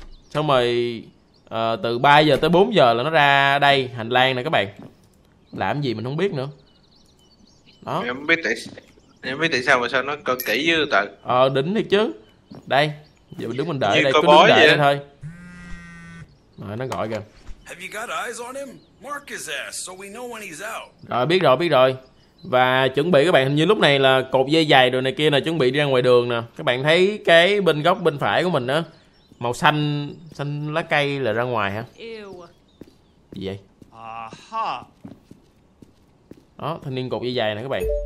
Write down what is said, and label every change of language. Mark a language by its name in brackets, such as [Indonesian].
[Vietnamese] Xong rồi từ 3 giờ tới 4 giờ là nó ra đây hành lang nè các bạn. Làm gì mình không biết nữa. Đó. Em biết tại sao mà sao nó coi kỹ dư tật. Ờ đỉnh thiệt chứ. Đây giờ mình đứng mình đợi đây, cứ đứng đợi đây thôi. Rồi nó gọi kìa. [English] Have you got eyes on him? Mark his ass so we know when he's out. [Vietnamese] Rồi biết rồi, biết rồi. Và chuẩn bị các bạn, hình như lúc này là cột dây giày đồ này kia là chuẩn bị đi ra ngoài đường nè. Các bạn thấy cái bên góc bên phải của mình á, màu xanh, xanh lá cây là ra ngoài hả? Ew. Gì vậy? Aha. Đó, thanh niên cột dây giày nè các bạn.